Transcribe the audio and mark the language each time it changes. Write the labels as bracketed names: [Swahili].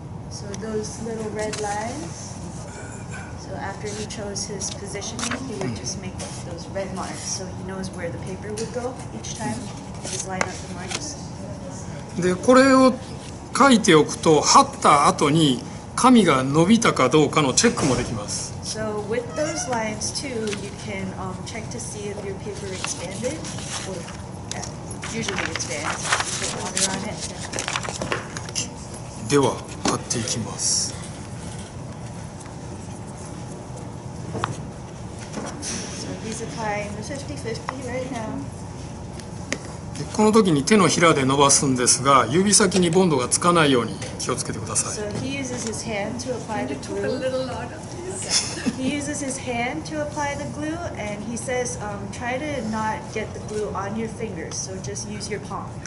[English] So those little red lines. So after he chose his positioning, he would just make those red marks so he knows where the paper would go each time. Just line up the marks. [Japanese] で、これを書いておくと貼った後に紙が伸びたかどうかのチェックもできます。 [English] So with those lines too, you can check to see if your paper expanded or usually expands. Put water on it. [Japanese] では貼っていきます。 [English] So he's applying the 50-50 right now. [Japanese] で、この時に手のひらで伸ばすんですが、指先にボンドがつかないように気をつけてください。 [English] So he uses his hand to apply the glue. Can you talk a little louder, please? He uses his hand to apply the glue and he says, try to not get the glue on your fingers, so just use your palm.